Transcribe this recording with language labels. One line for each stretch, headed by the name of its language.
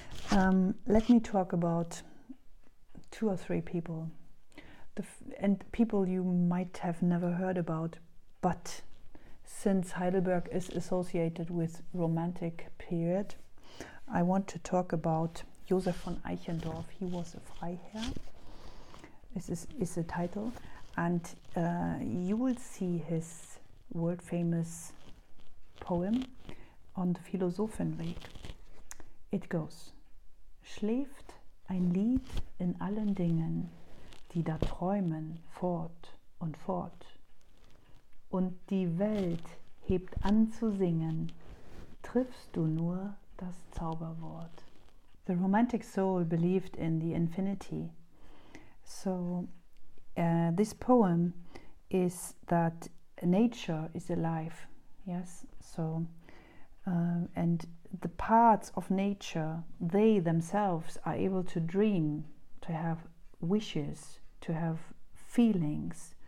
English: Let me talk about two or three people, and people you might have never heard about, but since Heidelberg is associated with Romantic period, I want to talk about Josef von Eichendorff. He was a Freiherr, is the title. And you will see his world-famous poem on the Philosophenweg. It goes,
German: Schläft ein Lied in allen Dingen, die da träumen fort und fort. Und die Welt hebt an zu singen, triffst du nur das Zauberwort.
English: The romantic soul believed in the infinity. So this poem is that nature is alive, yes? So, and the parts of nature, they themselves are able to dream, to have wishes, to have feelings.